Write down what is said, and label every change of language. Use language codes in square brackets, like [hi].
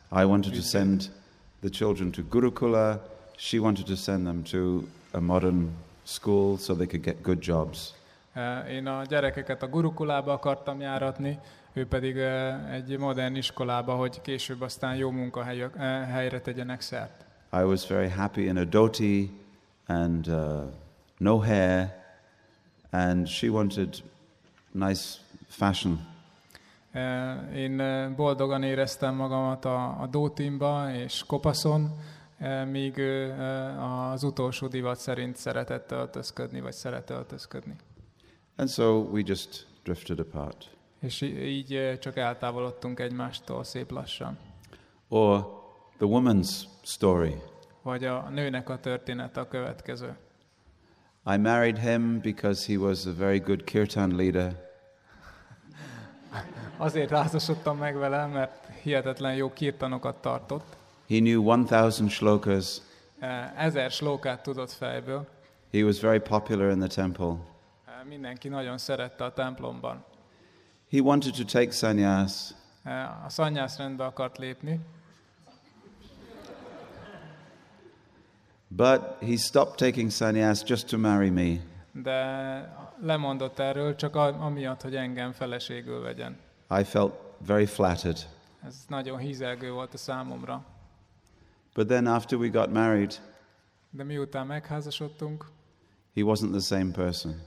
[en] I wanted to send the children to Gurukula. She wanted to send them to a modern school so they could get good jobs. [hu] Én a gyerekeket a gurukulába akartam járatni, ő pedig egy modern iskolába, hogy később aztán jó munkahelyre tegyenek szert. [en] I was very happy in a dhoti and no hair, and she wanted nice fashion. [hu] Én boldogan éreztem magamat a dhotimba és kopaszon, míg az utolsó divat szerint szeretett öltözködni, vagy szeret öltözködni. [en] And so we just drifted apart. [hu] És így csak eltávolodtunk egymástól szép lassan. [en] Or the woman's story. [hu] Vagy a nőnek a története a következő. [en] I married him because he was a very good kirtan leader. [hu] Azért házasodtam meg vele, mert hihetetlen jó kirtanokat tartott. [en] He knew 1,000 shlokas. [hu] 1,000 shlokát tudott fejből. [en] He was very popular in the temple. [hu] Mindenki nagyon szerette a templomban. [en] He wanted to take sannyas. [hu] A sannyas rendbe akart lépni. [en] But he stopped taking sannyas just to marry me. [hu] De lemondott erről csak amiatt, hogy engem feleségül vegyen. [en] I felt very flattered. [hu] Ez nagyon hízelgő volt a számomra. [en] But then after we got married, [hu] de miután megházasodtunk, [en] He wasn't the same person.